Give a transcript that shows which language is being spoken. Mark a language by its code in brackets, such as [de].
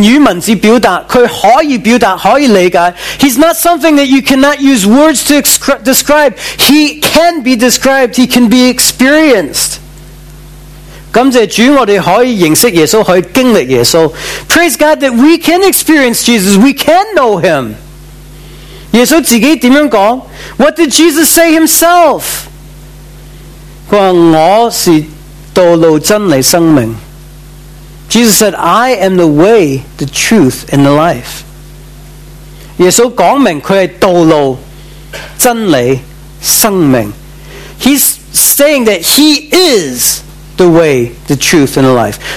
[zh] 祂不是没办法用言语文字表达，祂可以表达，可以理解。 [en] He's not something that you cannot use words to describe. He can be described. He can be experienced. [zh] 感谢主，我们可以认识耶稣，可以经历耶稣。 [en] Praise God that we can experience Jesus. We can know Him. [zh] 耶稣自己怎样讲？ [en] What did Jesus say Himself? [zh] 祂说，我是道路真理生命。 [en] Jesus said, I am the way, the truth, and the life. [zh] 耶稣讲明祂是道路、真理、生命。 [en] He's saying that He is the way, the truth, and the life.